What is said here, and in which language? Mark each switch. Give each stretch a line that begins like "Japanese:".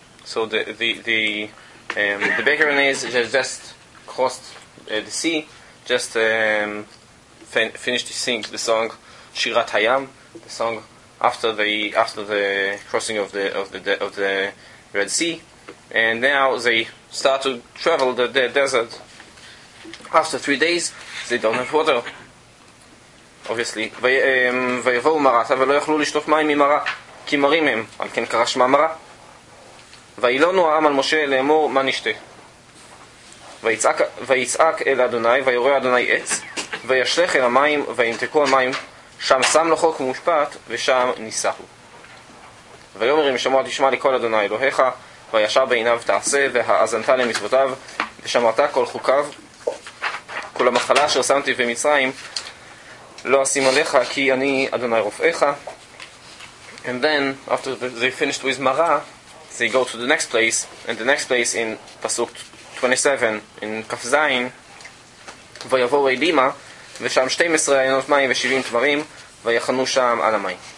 English: So the background is they just crossed the sea, just finished singing the song Shirat Hayam, the song after the crossing of the Red Sea, and now they start to travel the desert. After 3 days, they don't have water.
Hebrew: Obviously, ויבואו מרה, ולא יכלו לשטוף מים ממרה, כי מרים הם, על כן קרא שמה מרה. ויילונו העם על משה לאמור מה נשתה. ויצעק אל אדוני, ויורה אדוני עץ, וישלך אל המים, וימתקו המים, שם שם לו חוק ומשפט, ושם ניסהו. ויאמר אם שמוע תשמע לכל אדוני אלוהיך, וישר בעיניו תעשה, והאזנת למצוותיו, ושמרת כל חוקיו, כל המחלה אשר שמתי במצרים, לא אשים עליך, כי אני אדוני רופאיך.
English: And then, after they finished with מרה, they go to the next place, and the next place in Pasuk 27, in Kaf Zayin,
Hebrew: ויבואו אל בימה, ושם 12 עיינות מים ו-70 תמרים, ויחנו שם על המים.